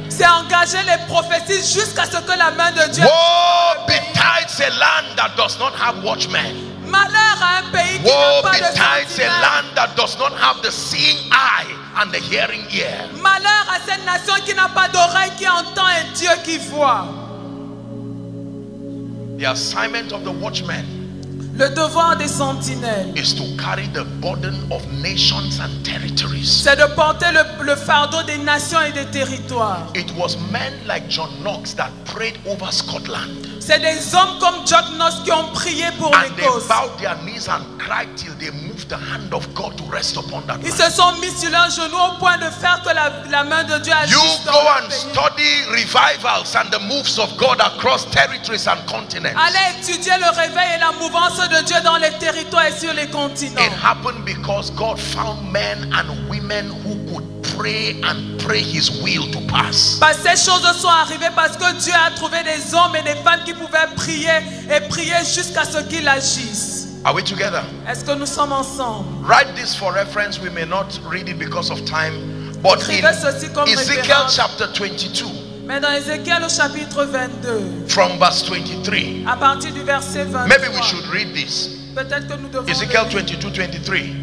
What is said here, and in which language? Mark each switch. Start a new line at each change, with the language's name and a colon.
French: C'est engager les prophéties jusqu'à ce que la main de Dieu.
English: Woe betides a land that does not have watchmen.
French: Malheur à un pays qui n'a pas de sentinelle.
English: A land that does not have the seeing eye and the hearing ear.
French: Malheur à cette nation qui n'a pas d'oreille qui entend et Dieu qui voit.
English: The assignment of the watchmen.
French: Le devoir des sentinelles.
English: Is to carry the burden of nations and territories.
French: C'est de porter le fardeau des nations et des territoires.
English: It was men like John Knox that prayed over Scotland.
French: C'est des hommes comme John Knox qui ont prié pour l'Écosse. Ils se sont mis sur leurs genoux au point de faire que la main de Dieu agisse.
English: You go and study revivals and the moves of God across territories and continents.
French: Allez étudier le réveil et la mouvance de Dieu dans les territoires et sur les continents.
English: It happened because God found men and women who could pray and pray his will to pass.
French: Parce que ces choses sont arrivées parce que Dieu a trouvé des hommes et des femmes qui pouvaient prier et prier jusqu'à ce qu'il agisse.
English: Are we together?
French: Est-ce que nous sommes ensemble?
English: Write this for reference. We may not read it because of time. But
French: écrivez ceci comme référence.
English: Ezekiel chapter 22.
French: Mais dans Ézéchiel au chapitre 22.
English: From verse 23.
French: À partir du verset 23.
English: Maybe we should read this.
French: Peut-être que nous devons lire. Ezekiel 22, 23.